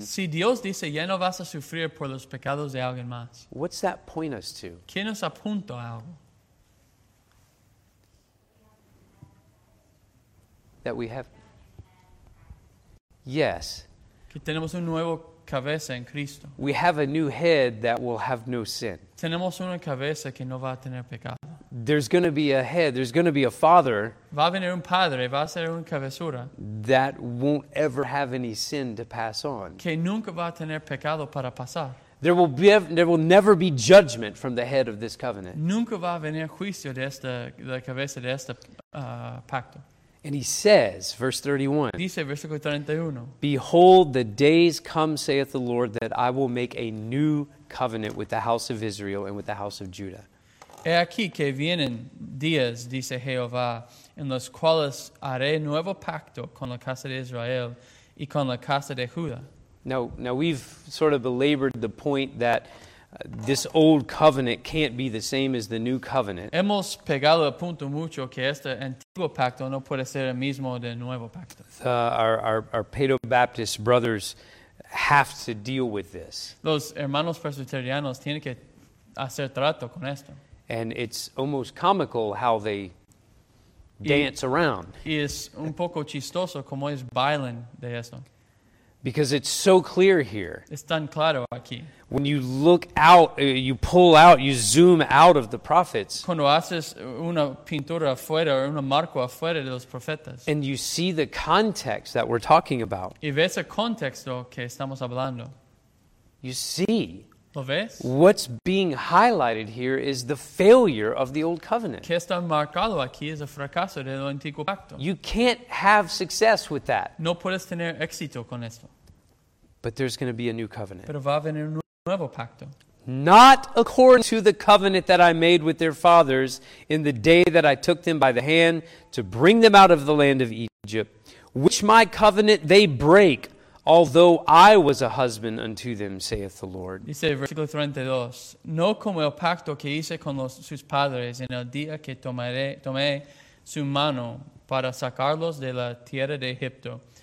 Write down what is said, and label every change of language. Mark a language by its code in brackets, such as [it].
[es] Si Dios dice ya no vas a sufrir por los pecados de alguien más. [en] What's that point us to? [es] ¿Qué nos apunta a algo? [en] That we have. Yes. [es] Que tenemos un nuevo cabeza en Cristo. [en] We have a new head that will have no sin. [es] Tenemos una cabeza que no va a tener pecado. [en] There's going to be a head. There's going to be a father. [es] Va a venir un padre. Va a ser una cabezura. [en] That won't ever have any sin to pass on. [es] Que nunca va a tener pecado para pasar. [en] There will never be judgment from the head of this covenant. [es] Nunca va a venir juicio de esta la cabeza de este pacto. [en] And he says, verse 31, [es] dice, versículo 31, [en] behold, the days come, saith the Lord, that I will make a new covenant with the house of Israel and with the house of Judah. [es] He aquí que vienen días, dice Jehová, en los cuales haré nuevo pacto con la casa de Israel y con la casa de Judá. [en] Now we've sort of belabored the point that this old covenant can't be the same as the new covenant. [es] Hemos pegado a punto mucho que este antiguo pacto no puede ser el mismo de nuevo pacto. [en] Our Paedo-Baptist brothers have to deal with this. [es] Los hermanos presbiterianos tienen que hacer trato con esto. [en] And it's almost comical how they dance around. [es] Y es un poco chistoso como es bailan de esto. [en] Because it's so clear here. [es] Es tan claro aquí. [en] When you look out, you pull out, you zoom out of the prophets. [es] Cuando haces una pintura afuera, un marco afuera de los profetas. [en] And you see the context that we're talking about. [es] Y ves el contexto que estamos hablando. [en] You see. [es] ¿Lo ves? [en] What's being highlighted here is the failure of the old covenant. [es] Que está marcado aquí es el fracaso del antiguo pacto. [en] You can't have success with that. [es] No puedes tener éxito con esto. [en] But there's going to be a new covenant. [es] Pero va a venir un nuevo pacto. [en] Not according to the covenant that I made with their fathers in the day that I took them by the hand to bring them out of the land of Egypt, which my covenant they break. Although I was a husband unto them, saith the Lord. [es] Dice versículo 32. No como el pacto que hice con sus padres en el día que tomé su mano para sacarlos de la tierra de Egipto.